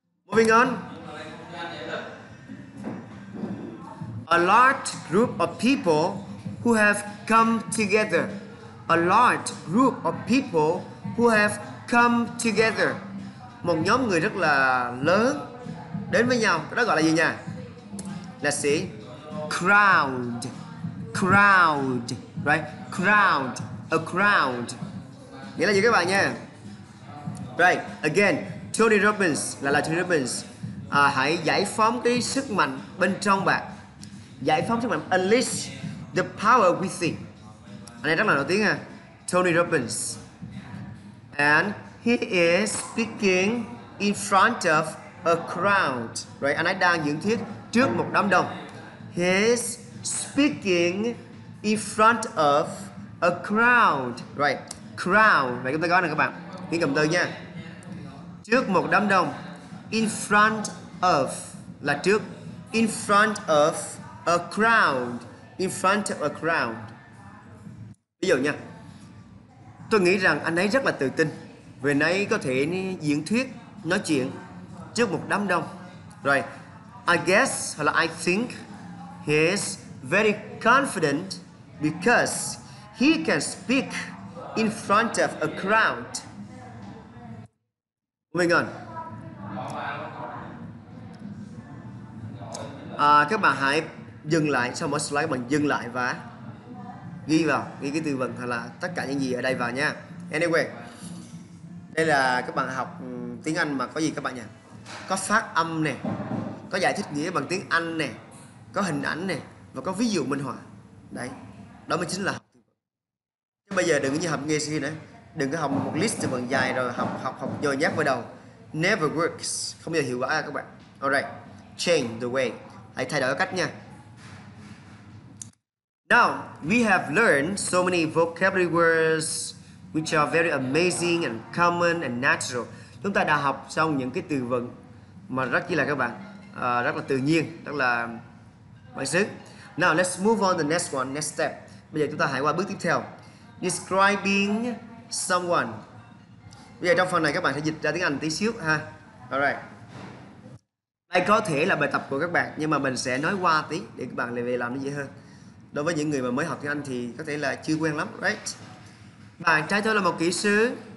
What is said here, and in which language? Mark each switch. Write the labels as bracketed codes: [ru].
[en] Moving on. A large group of people who have come together. A large group of people who have come together. [vi] Một nhóm người rất là lớn đến với nhau. Đó gọi là gì nha? [en] Let's see. [vi] Crowd. Crowd. Right? Crowd. A crowd. Nghĩa là gì các bạn nha? Right. [en] Again, Tony Robbins. Là Tony Robbins. [vi] Hãy giải phóng cái sức mạnh bên trong bạn. Giải phóng sức mạnh. [en] Unleash the power within. [vi] Anh này rất là nổi tiếng ha. Tony Robbins. [en] And he is speaking in front of a crowd. Right? [vi] Anh ấy đang diễn thuyết trước một đám đông. [en] He is speaking in front of a crowd. [vi] Right? Crowd. Vậy chúng ta gọi là các bạn. Nghĩ cầm từ nha. Trước một đám đông. [en] In front of. [vi] Là trước. [en] In front of a crowd. In front of a crowd. [vi] Ví dụ nha. Tôi nghĩ rằng anh ấy rất là tự tin vì anh ấy có thể diễn thuyết, nói chuyện trước một đám đông. [en] Rồi, I guess, hoặc là I think he is very confident because he can speak in front of a crowd. Moving on. [vi] Các bạn hãy dừng lại, sau mỗi slide các bạn dừng lại và ghi cái từ vựng hay là tất cả những gì ở đây vào nha. Anyway, đây là các bạn học tiếng Anh mà có gì các bạn nhỉ? Có phát âm nè, có giải thích nghĩa bằng tiếng Anh nè, có hình ảnh nè và có ví dụ minh họa. Đấy, đó mới chính là học từ vựng. Chứ bây giờ đừng có như học nghe suy nữa, đừng có học một list từ vựng dài rồi học nhồi nhét vào đầu. [en] Never works, [vi] không bao giờ hiệu quả các bạn. Alright, [en] change the way, [vi] hãy thay đổi cách nha. [en] Now, we have learned so many vocabulary words which are very amazing and common and natural. [vi] Chúng ta đã học xong những cái từ vựng mà rất chi là các bạn, rất là tự nhiên, rất là bản xứ. [en] Now, let's move on to the next one, next step. [vi] Bây giờ chúng ta hãy qua bước tiếp theo. [en] Describing someone. [vi] Bây giờ trong phần này các bạn sẽ dịch ra tiếng Anh tí xíu ha. Alright. Đây có thể là bài tập của các bạn, nhưng mà mình sẽ nói qua tí để các bạn lại về làm nó dễ hơn. Đối với những người mà mới học tiếng Anh thì có thể là chưa quen lắm, right? Bạn trai tôi là một kỹ sư.